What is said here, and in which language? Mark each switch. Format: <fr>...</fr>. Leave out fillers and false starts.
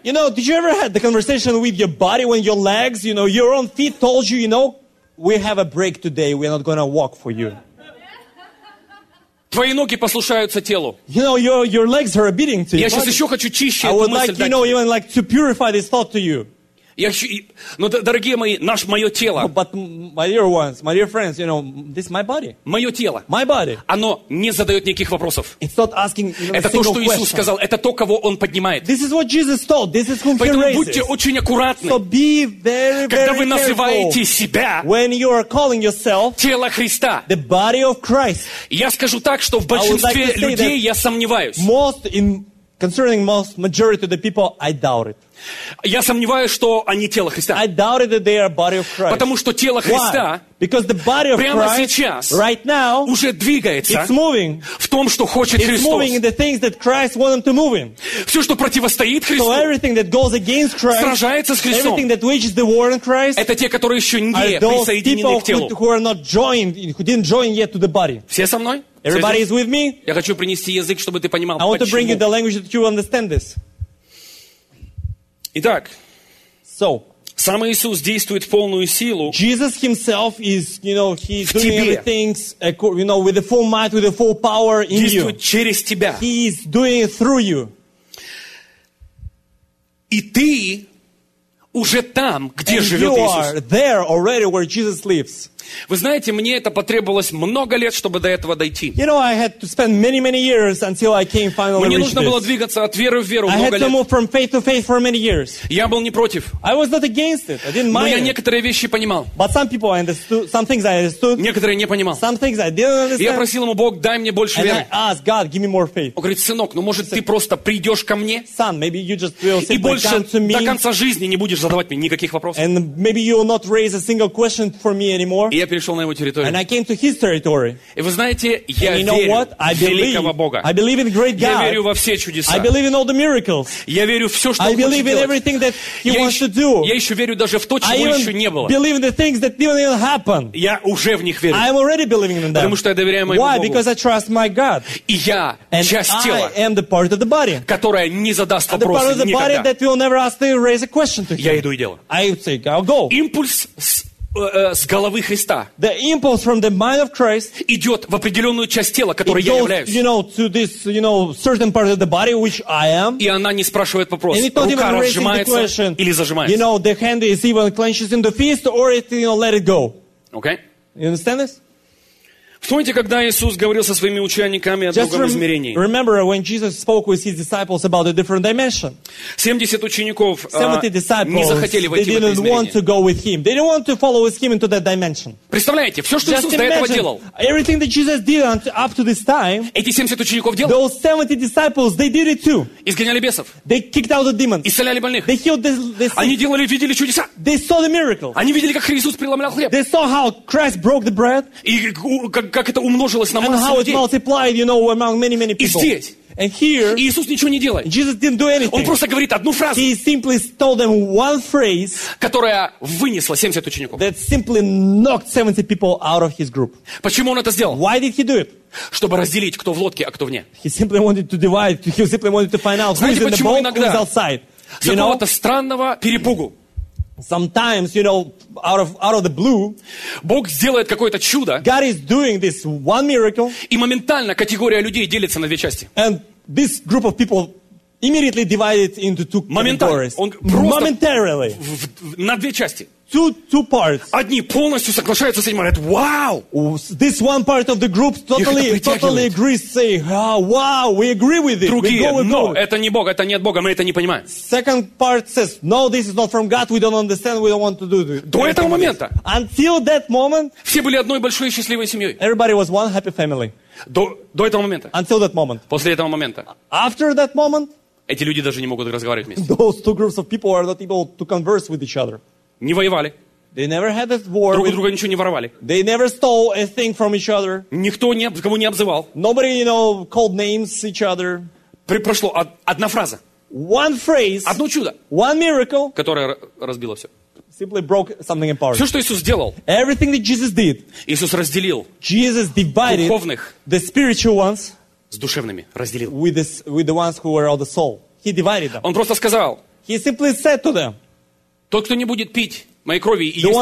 <en>You know, did you ever had the conversation with your body when your legs, you know, your own feet told you, you know, we have a break today, we're not going to walk for you.</en> <ru>Твои ноги послушаются телу.</ru> <en>You know, your legs are obeying to you.</en> <ru>Я сейчас еще хочу чище эту мысль дать.</ru> <en>You know, even like to purify this thought to you.</en> <ru>Я хочу, но дорогие мои, наш мое тело.</ru> <en>No, but my dear ones, my dear friends, you know, this is my body.</en> <ru>Мое тело.</ru> <en>My body.</en> <ru>Оно не задает никаких вопросов.</ru> <en>It's not asking, you know,</en> <ru>это то, что Иисус</ru> <en>question.</en> <ru>Сказал. Это то, кого Он поднимает.</ru> <en>This is what Jesus told. This is whom</en> <ru>Поэтому</ru> <en>He raises.</en> <ru>Будьте очень аккуратны.</ru> <en>So be very,</en> <ru>когда</ru> <en>very</en> <ru>вы называете</ru> <en>careful.</en> <ru>Себя.</ru> <en>When you are calling yourself.</en> <ru>Тело Христа.</ru> <en>The body of Christ.</en> <ru>Я скажу так, что в большинстве</ru> <en>like</en> <ru>людей я сомневаюсь.</ru> <en>Most in Concerning most majority of the people, I doubt it.</en> <ru>Я сомневаюсь, что они тело Христа.</ru> <en>I doubt it that they are body of Christ.</en> <ru>Потому что тело Христа</ru> <en>Because the body of</en> <ru>прямо</ru> <en>Christ,</en> <ru>сейчас</ru> <en>right now,</en> <ru>уже двигается</ru> <en>it's moving,</en> <ru>в том, что хочет</ru> <en>it's</en> <ru>Христос.</ru> <en>Moving in the things that Christ wants to move in.</en> <ru>Все, что противостоит Христу,</ru> <en>so everything that goes against Christ,</en> <ru>сражается с Христом.</ru> <en>Everything that wages the war in Christ,</en> <ru>это те, которые еще не присоединены к телу. Все со мной?</ru> <en>Everybody is with me.</en> <ru>Я хочу принести язык, чтобы ты понимал, почему.</ru> <en>I want</en> <ru>почему.</ru> <en>To bring you the language that you understand this.</en> <ru>Итак,</ru> <en>so,</en> <ru>сам Иисус действует в полную силу.</ru> <en>Jesus himself is, you know, he's doing everything, you know, with the full might, with the full power in you.</en> <ru>Действует через тебя.</ru> <en>He is doing it through you.</en> <ru>И ты уже там, где</ru> <en>And</en> <ru>живет</ru> <en>you</en> <ru>Иисус.</ru> <en>Are there already where Jesus lives.</en> <ru>Вы знаете, мне это потребовалось много лет, чтобы до этого дойти.</ru> <en>You know, I had to spend many years until I came finally.</en> <ru>Мне нужно было двигаться от веры в веру много лет.</ru> <en>I had to move from faith to faith for many years.</en> <ru>Я был не против.</ru> <en>I was not against it. I didn't mind.</en> <ru>Но я некоторые вещи понимал.</ru> <en>But some people I understood, some things I understood.</en> <ru>Некоторые не понимал.</ru> <en>Some things I didn't understand.</en> <ru>Я просил ему: Бог, дай мне больше веры.</ru> <en>And I asked God, give me more faith.</en> <ru>Он говорит: сынок, ну может ты просто придешь ко мне?</ru> <en>Son, maybe you just will say,</en> <ru>И больше до конца жизни не будешь задавать мне никаких вопросов.</ru> <en>And maybe you will not raise a single question for me anymore.</en> <ru>И я перешел на его территорию.</ru> <en>And I came to his territory.</en> <ru>И вы знаете, я</ru> <en>And you</en> <ru>верю</ru> <en>know what? I believe,</en> <ru>в великого Бога.</ru> <en>I believe in great God.</en> <ru>Я верю во все чудеса.</ru> <en>I believe in all the miracles.</en> <ru>Я верю в все, что</ru> <en>I believe</en> <ru>он хочет in делать.</ru> <en>Everything that he wants to do.</en> <ru>Я еще верю даже в то, чего</ru> <en>I even</en> <ru>еще не было.</ru> <en>Believe in the things that didn't happen.</en> <ru>Я уже в них верю.</ru> <en>I am already believing in them.</en> <ru>Потому что я доверяю моему</ru> <en>Why?</en> <ru>Богу.</ru> <en>Because I trust my God.</en> <ru>И я</ru> <en>And</en> <ru>часть</ru> <en>I</en> <ru>тела,</ru> <en>am the part of the body.</en> <ru>Которая не задаст вопросы никогда. Я иду и делаю. Импульс с головы Христа</ru> <en>the impulse from the mind of Christ</en> <ru>идет в определенную часть тела, которой</ru> <en>goes,</en> <ru>я являюсь.</ru> <en>You know, to this, you know, certain part of the body, which I am.</en> <ru>И она не спрашивает вопрос. Рука разжимается или зажимается.</ru> <en>You know, the hand is even clenches in the fist or it, you know, let it go. Okay. You understand this?</en> <ru>Вспомните, когда Иисус говорил со своими учениками о</ru> <en>Just</en> <ru>другом измерении.</ru> <en>Remember when Jesus spoke with his disciples about a different dimension.</en> <ru>70 учеников 70</ru> <en>disciples,</en> <ru>не захотели войти</ru> <en>they didn't</en> <ru>в это измерение.</ru> <en>Want to go with him. They didn't want to follow with him into that dimension.</en> <ru>Представляете, все, что</ru> <en>Just</en> <ru>Иисус до этого делал.</ru> <en>Everything that Jesus did up to this time.</en> <ru>Эти 70 учеников делали.</ru> <en>Those 70 disciples, they did it too.</en> <ru>Изгоняли бесов.</ru> <en>They kicked out the demons.</en> <ru>Исцеляли больных.</ru> <en>They healed the sick.</en> <ru>Они делали, видели чудеса.</ru> <en>They saw the miracles.</en> <ru>Они видели, как Иисус преломлял хлеб.</ru> <en>They saw how Christ broke the bread.</en> <ru>И как это умножилось на массу</ru> <en>And how</en> <ru>людей.</ru> <en>It multiplied, you know, among many, many people.</en> <ru>И здесь.</ru> <en>And here,</en> <ru>и Иисус ничего не делает.</ru> <en>Jesus didn't do anything.</en> <ru>Он просто говорит одну фразу.</ru> <en>He simply told them one phrase,</en> <ru>которая вынесла 70 учеников.</ru> <en>That simply knocked 70 people out of his group.</en> <ru>Почему он это сделал?</ru> <en>Why did he do it?</en> <ru>Чтобы разделить, кто в лодке, а кто вне.</ru> <en>He simply wanted to divide. He simply wanted to find out</en> <ru>Знаете,</ru> <en>who is in the boat, who is outside.</en> <ru>С какого-то странного перепугу.</ru> <en>Sometimes, you know, out of the blue,</en> <ru>Бог сделает какое-то чудо.</ru> <en>God is doing this one miracle.</en> <ru>И моментально категория людей делится на две части.</ru> <en>And this group of people immediately divided into two categories. Momentarily.</en> <ru>На две части.</ru> <en>Two parts.</en> <ru>Одни полностью соглашаются с этим, говорят, wow.</ru> <en>This one part of the group totally agrees, say, oh, wow, we agree with it.</en> <ru>Другие,</ru> <en>we go with no, God.</en> <ru>Это не Бог, это не от Бога, мы это не понимаем.</ru> <en>Second part says, no, this is not from God, we don't understand, we don't want to do this.</en> <ru>До этого момента.</ru> <en>Until that moment.</en> <ru>Все были одной большой и счастливой семьей.</ru> <en>Everybody was one happy family.</en> <ru>До этого момента.</ru> <en>Until that moment.</en> <ru>После этого момента.</ru> <en>After that moment.</en> <ru>Эти люди даже не могут разговаривать вместе.</ru> <en>Those two groups of people are not able to converse with each other.</en> <ru>Не воевали.</ru> <en>They never had a war.</en> <ru>Друг друга ничего не воровали.</ru> <en>They never stole a thing from each other.</en> <ru>Никто не, кого не обзывал.</ru> <en>Nobody, you know, called names each other.</en> <ru>Прошло одна фраза.</ru> <en>One phrase.</en> <ru>Одно чудо.</ru> <en>One miracle.</en> <ru>Которое разбило все.</ru> <en>Simply broke something apart.</en> <ru>Все, что Иисус сделал.</ru> <en>Everything that Jesus did.</en> <ru>Иисус разделил.</ru> <en>Jesus divided</en> <ru>духовных</ru> <en>the spiritual ones</en> <ru>с душевными. Разделил.</ru> <en>With the ones who were of the soul. He divided them.</en> <ru>Он просто сказал.</ru> <en>He simply said to them.</en> <ru>Тот, кто не будет пить моей крови и есть моей</ru>